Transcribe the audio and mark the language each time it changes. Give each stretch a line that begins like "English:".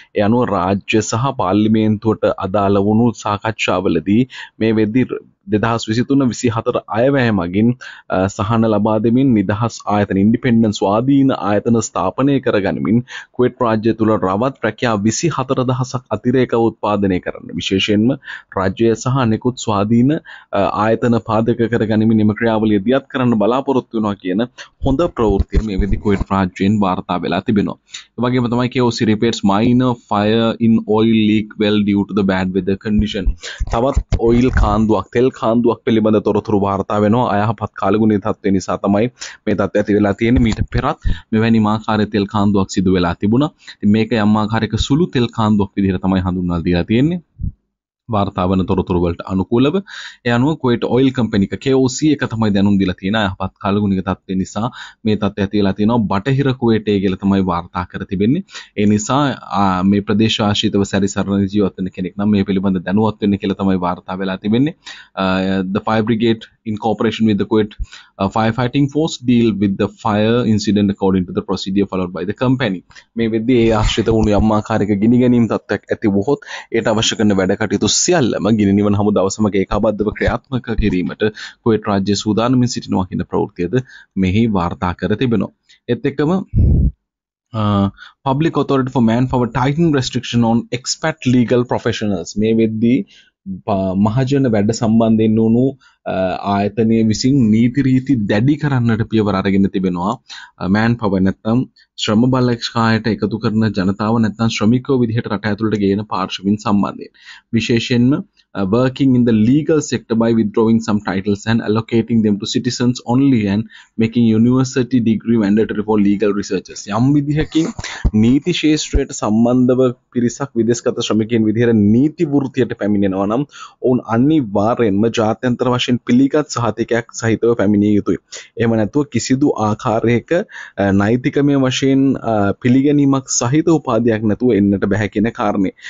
Sinhala: ඒ අනුව රාජ්‍ය සහ පාර්ලිමේන්තුවට අදාළ වුණු සාකච්ඡාවලදී මේ වෙද්දි 2023-24 අයවැය මගින් සහන ලබා දෙමින් නිදහස් ආයතන ඉන්ඩිපෙන්ඩන්ස් ස්වාධීන ආයතන ස්ථාපනය කරගනිමින් කුවේට් රාජ්‍ය තුළ රවත් රැකියා 24,000ක් අතිරේක උත්පාදනය කරන්න, විශේෂයෙන්ම රාජ්‍යය සහ අනෙකුත් ස්වාධීන ආයතන පාදක කරගනිමින් එම ක්‍රියාවලිය දියත් කරන්න බලාපොරොත්තු වෙනවා කියන හොඳ ප්‍රවෘත්තිය මේ වෙදි කුවේට් රාජ්‍යයෙන් වාර්තා වෙලා තිබෙනවා. ඒ වගේම තමයි
English: KOC repairs minor fire in oil leak well due to the bad weather condition.
Sinhala: තවත් ඔයිල් කාන්දුවක් තෙල් කාන්දුවක් පිළිබඳ තොරතුරු වාර්තා වෙනවා. අයහපත් කාලගුණයේ තත්ත්වය නිසා තමයි මේ තත්ත්වය ඇති වෙලා තියෙන්නේ. මීට පෙරත් මෙවැනි ආකාරයේ තෙල් කාන්දුවක් සිදු වෙලා තිබුණා. ඉතින් මේක යම් ආකාරයක සුළු තෙල් කාන්දුවක් විදිහට තමයි හඳුන්වලා දීලා තියෙන්නේ. වාර්තා වන තොරතුරු වලට අනුකූලව ඒ අනුව කුවේට් ඔයිල් කම්පැනික KOC එක තමයි දැනුම් දීලා තියෙන. අයහපත් කාලගුණික තත්ත්වය නිසා මේ තත්ත්වය ඇති වෙලා තියෙනවා බටහිර කුවේටේ කියලා තමයි වාර්තා කර තිබෙන්නේ. ඒ නිසා මේ ප්‍රදේශ ආශ්‍රිතව සැරිසරන ජීවත් වෙන කෙනෙක් නම් මේ පිළිබඳ දැනුවත් වෙන්න කියලා තමයි වාර්තා වෙලා තිබෙන්නේ.
English: The fire brigade in cooperation with the Kuwait firefighting force deal with the fire incident according to the procedure followed by the company.
Sinhala: මේ වෙද්දී ඒ ආශ්‍රිත වුණු යම් ආකාරයක ගිනි ගැනීම තත්ත්වයක් ඇති වුහොත් ඒට අවශ්‍ය කරන වැඩ කටයුතු සියල්ලම ගිනි නිවන හමු දවසමක ඒකාබද්ධව ක්‍රියාත්මක කිරීමට කුවේට් රාජ්‍ය සූදානමින් සිටිනවා කියන ප්‍රවෘත්තියද මෙහි වාර්තා කර තිබෙනවා. ඒත් එක්කම
English: public authority for manpower tightening restriction on expat legal professionals.
Sinhala: මේ වෙද්දී මහජන වැඩ සම්බන්ධයෙන් වුණු ආයතනය විසින් නීති රීති දැඩි කරන්නට පියවර අරගෙන තිබෙනවා. මෑන් පවර් නැත්නම් ශ්‍රම බලකායට එකතු කරන ජනතාව නැත්නම් ශ්‍රමිකෝ විදිහට රට ඇතුළට ගේන පාර්ශවින් සම්බන්ධයෙන් විශේෂයෙන්ම
English: working in the legal sector by withdrawing some titles and allocating them to citizens only and making university degree mandatory for legal researchers.
Sinhala: යම් විදිහකින් නීති ශාස්ත්‍රයට සම්බන්ධව පිරිසක් විදේශගත ශ්‍රමිකයන් විදිහට නීති වෘත්තියට පැමිණෙනවා නම් ඔවුන් අනිවාර්යෙන්ම ජාත්‍යන්තර වශයෙන් පිළිගත් සහතිකයක් සහිතව පැමිණිය යුතුයි. එහෙම නැතුව කිසිදු ආකාරයක නෛතිකමය වශයෙන් පිළිගැනීමක් සහිත උපාධියක් නැතුව එන්නට බැහැ කියන කාරණේ.